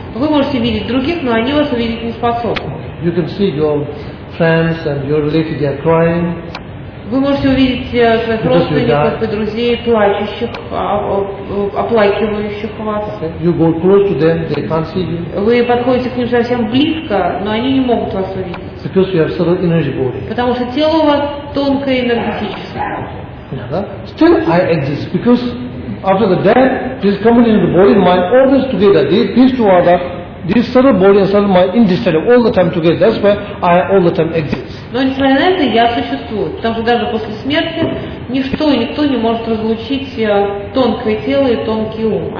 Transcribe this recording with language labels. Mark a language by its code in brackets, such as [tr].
[ru] Вы можете видеть других, но они вас увидеть не способны. [en] You can see your friends and your relatives, they are crying. [ru] Вы можете увидеть своих родственников и друзей, плачущих, оплакивающих вас. [en] Okay. You go close to them, they can't see you. [ru] Вы подходите к ним совсем близко, но они не могут вас увидеть. [en] Because you have subtle energy body. [ru] Потому что тело у вас тонкое энергетическое. [en] Okay. Still I exist because after the death, this coming into the body and mind all this together. These two are the this subtle body and subtle mind indistinct all the time together. That's why I all the time exist. [ru] Но несмотря на это, я существую, потому что даже после смерти ничто и никто не может разлучить тонкое тело и тонкий ум.